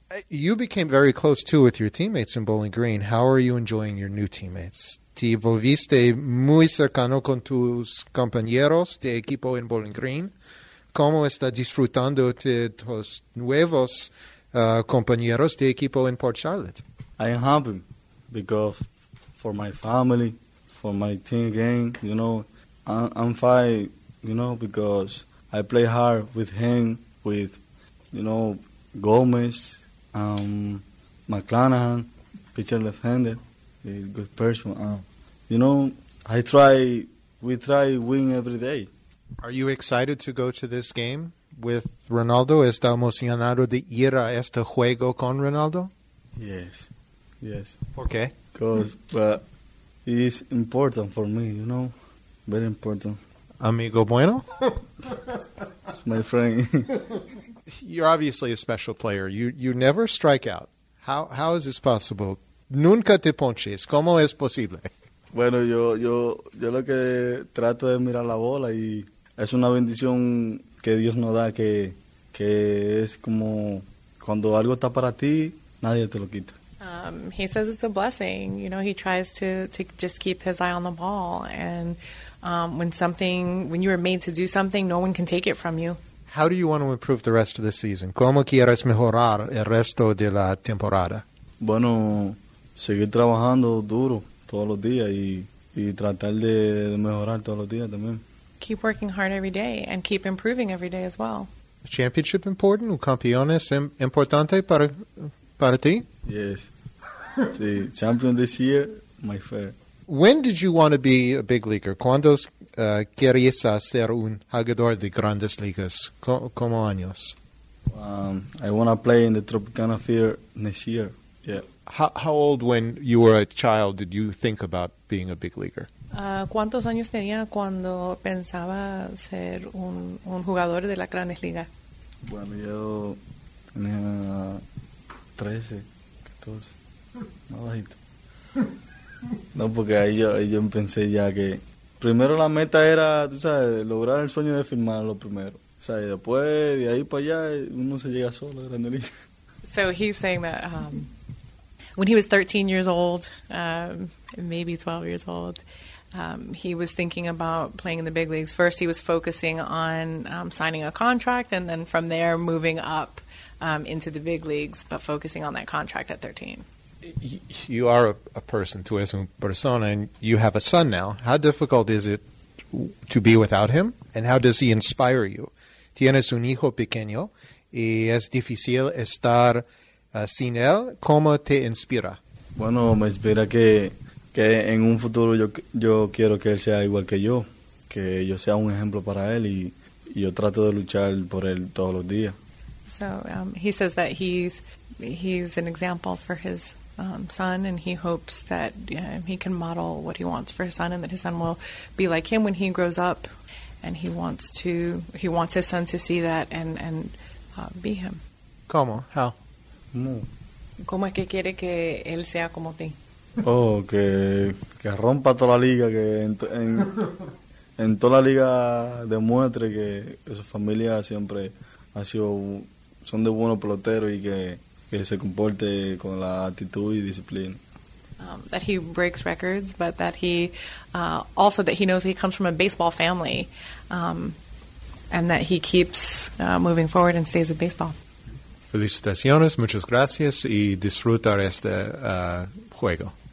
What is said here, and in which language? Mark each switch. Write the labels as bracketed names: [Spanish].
[English] You became very close too with your teammates in Bowling Green. How are you enjoying your new teammates? [Spanish] Te volviste muy cercano con tus compañeros de equipo en Bowling Green. ¿Cómo está disfrutando de tus nuevos compañeros de equipo en Port Charlotte? [English] I am happy because for my family, for my team game, you know, I'm fine, you know, because I play hard with him, with, you know, Gomez, McClanahan, pitcher left-hander, a good person. You know, we try win every day. Are you excited to go to this game with Ronaldo? [Spanish] ¿Está emocionado de ir a este juego con Ronaldo? [English] Yes. [Spanish] ¿Por qué? [English] Because it is important for me, you know, very important. [Spanish] Amigo bueno? [English] It's my friend. You're obviously a special player. You never strike out. How is this possible? [Spanish] Nunca te ponches. ¿Cómo es posible? Bueno, yo lo que trato es mirar la bola y es una bendición que Dios nos da que es como cuando algo está para ti, nadie te lo quita. [English] He says it's a blessing. You know, he tries to just keep his eye on the ball. And when you are made to do something, no one can take it from you. How do you want to improve the rest of the season? [Spanish] ¿Cómo quieres mejorar el resto de la temporada? Bueno, seguir trabajando duro todos los días y tratar de mejorar todos los días también. [English] Keep working hard every day and keep improving every day as well. A championship important? [Spanish] ¿Un campeón es importante para ti? [English] Yes. The champion this year, my fair. When did you want to be a big leaguer? [Spanish] ¿Cuándo querías ser un jugador de grandes ligas? ¿Cómo años? [English] I want to play in the Tropicana Field next year. Yeah. How old, when you were a child, did you think about being a big leaguer? [Spanish] ¿Cuántos años tenía cuando pensaba ser un jugador de las grandes ligas? Bueno, yo tenía 13, 14, más bajito. No, porque ahí yo pensé ya que primero la meta era, tú sabes, lograr el sueño de firmarlo primero. O sea, y después de ahí para allá uno se llega solo a la grande liga. [English] So he's saying that when he was 13 years old, maybe 12 years old, he was thinking about playing in the big leagues. First, he was focusing on signing a contract, and then from there, moving up into the big leagues, but focusing on that contract at 13. You are a person, [Spanish] tú eres una persona, [English] and you have a son now. How difficult is it to be without him, and how does he inspire you? [Spanish] Tienes un hijo pequeño, y es difícil estar sin él. ¿Cómo te inspira? Bueno, me inspira que en un futuro yo quiero que él sea igual que yo sea un ejemplo para él y yo trato de luchar por él todos los días. [English] So he says that he's an example for his son and he hopes that he can model what he wants for his son and that his son will be like him when he grows up and he wants his son to see that and be him. [Spanish] ¿Cómo? [English] How? [Spanish] No. ¿Cómo es que quiere que él sea como ti? Oh, que rompa toda la liga, que en toda la liga demuestre que su familia siempre ha sido, son de buenos peloteros y que se comporte con la actitud y disciplina. [English] That he breaks records, but that he, also that he knows he comes from a baseball family, and that he keeps moving forward and stays with baseball. [Spanish] Felicitaciones, muchas gracias, y disfrutar este juego.